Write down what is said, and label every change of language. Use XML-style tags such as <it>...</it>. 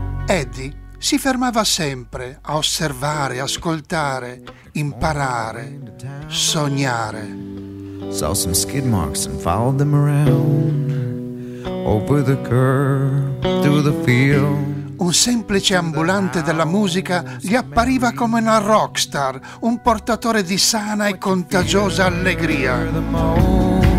<it>Eddie si fermava sempre a osservare, ascoltare, imparare, sognare.</it> <en>Saw some skid marks and followed them around, over the curb, through the field.</en> <it>Un semplice ambulante della musica gli appariva come una rockstar, un portatore di sana e contagiosa allegria.</it>